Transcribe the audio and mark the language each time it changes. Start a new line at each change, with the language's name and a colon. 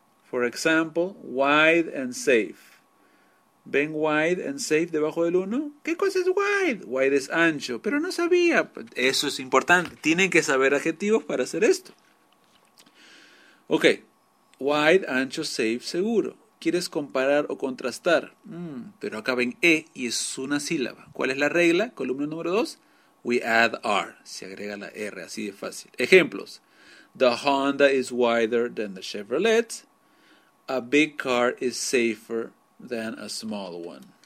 English: For example, wide and safe.
Spanish: ¿Ven wide and safe debajo del 1? ¿Qué cosa es wide? Wide es ancho, pero no sabía. Eso es importante. Tienen que saber adjetivos para hacer esto. Ok. Wide, ancho, safe, seguro. ¿Quieres comparar o contrastar? Pero acaba en E y es una sílaba. ¿Cuál es la regla? Columna número 2.
English: We add R.
Spanish: Se agrega la R, así de fácil. Ejemplos.
English: The Honda is wider than the Chevrolet. A big car is safer than a small one.